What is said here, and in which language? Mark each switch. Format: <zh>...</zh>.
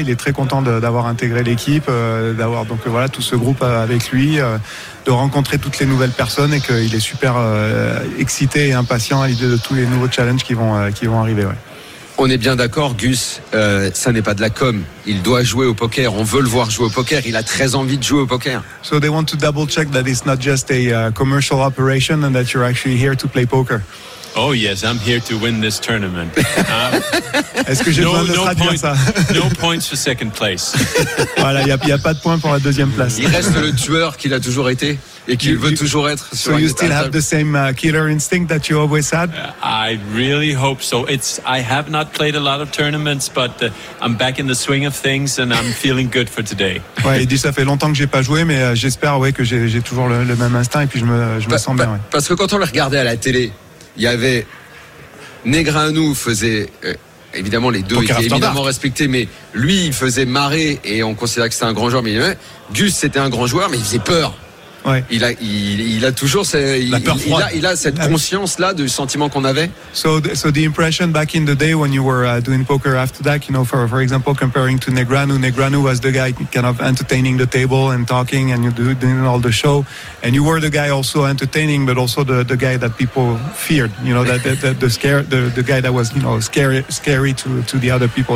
<fr>Il est très content d'avoir intégré l'équipe, d'avoir donc voilà tout ce groupe avec lui. De rencontrer toutes les nouvelles personnes et qu'il est super excité et impatient à l'idée de tous les nouveaux challenges qui vont arriver. Ouais. On est bien d'accord, Gus, ça n'est pas de la com. Il doit jouer au poker. On veut le voir jouer au poker. Il a très envie de jouer au poker.</fr> <en>So they want to double check that it's not just a commercial operation and that you're actually here to play poker. Oh yes, I'm here to win this tournament.</en> <fr>Est-ce que j'ai besoin de traduire ça?</fr> <en>No points for second place.</en> <fr>Voilà, il y a pas de points pour la deuxième place. Il reste le tueur qu'il a toujours été et qu'il veut toujours être.</fr> <en>So you still have the same killer instinct that you always had? I really hope so. I have not played a lot of tournaments, but I'm back in the swing of things and I'm feeling good for today.</en> <fr>Ouais, il dit ça fait longtemps que j'ai pas joué, mais j'espère que j'ai toujours le même instinct et puis je me sens bien. Ouais. Parce que quand on le regardait à la télé. Il y avait Negreanu faisait évidemment les deux étaient évidemment respectés, mais lui il faisait marrer et on considérait que c'était un grand joueur. Mais Gus c'était un grand joueur, mais il faisait peur. Ouais. Il a toujours il a cette conscience là du sentiment qu'on avait.</fr> <en>So the impression back in the day when you were doing poker after that, for example comparing to Negreanu was the guy kind of entertaining the table and talking and doing all the show, and you were the guy also entertaining but also the guy that people feared, the guy that was scary to the other people.</en>